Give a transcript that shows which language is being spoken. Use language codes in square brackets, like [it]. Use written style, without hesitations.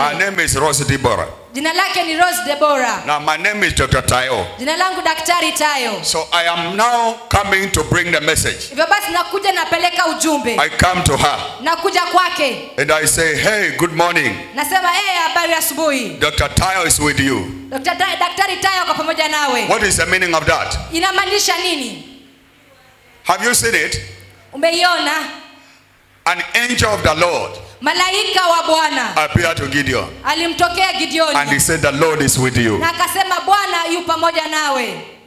[en] Her name is Rose Deborah. [sw] Jina lake ni Rose Deborah. [en] Now my name is Dr. Tayo. [sw] Jina langu Daktari Tayo. [en] So I am now coming to bring the message. [sw] Hivyo basi nakuja napeleka ujumbe. [en] I come to her. [sw] Nakuja kwake. [en] And I say, hey, good morning. [sw] Nasema, hey, habari asubuhi. [en] Dr. Tayo is with you. [sw] Daktari Tayo kwa pamoja nawe. [en] What is the meaning of that? [sw] Inamaanisha nini? [en] Have you seen it? [sw] Umeiona? [en] An angel of the Lord. [sw] Malaika wa Bwana. [en] Appeared to Gideon. [sw] Alimtokea Gideon. [en] And he said, the Lord is with you. [sw] Na akasema Bwana yu pamoja nawe.